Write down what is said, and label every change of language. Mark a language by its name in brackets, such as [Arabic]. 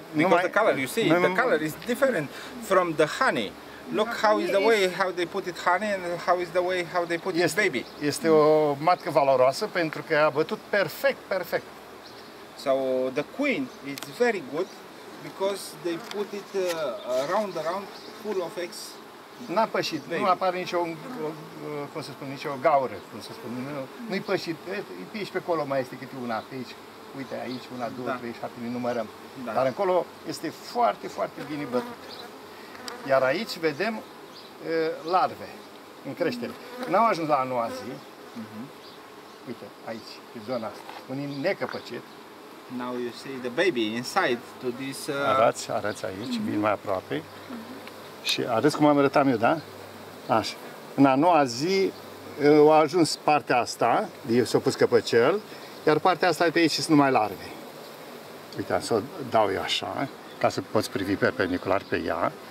[English] Because [Romanian] numai, [English] the color, you see, the color is different from the honey. Look how is the way how they put it honey and how is the way how they put it baby. [Romanian] Este o matcă valoroasă pentru că a bătut perfect, perfect. [English] So the queen is very good. Because they put it round, full of eggs. [Romanian] N-a pășit, baby. Nu apare nicio, cum să spun, nicio gaură, cum să spun. Nu-i pășit, pe aici pe acolo mai este câte una, pe aici, uite aici, una, două, da. Trei, șapte, ne numărăm. Da. Dar încolo este foarte, foarte bine bătut. Iar aici vedem larve în creștere. N-au ajuns la a noua zi, uite aici, pe zona asta, unii necăpăcit. [English] Now you see the baby inside to this [Romanian] arăți aici, vin mai aproape. Și arăți cum am arătat eu, da? Așa. În a noua zi a ajuns partea asta, eu s-o pus căpăcel, iar partea asta de aici sunt numai larve. Uite, să o dau eu așa, ca să poți privi perpendicular pe ea.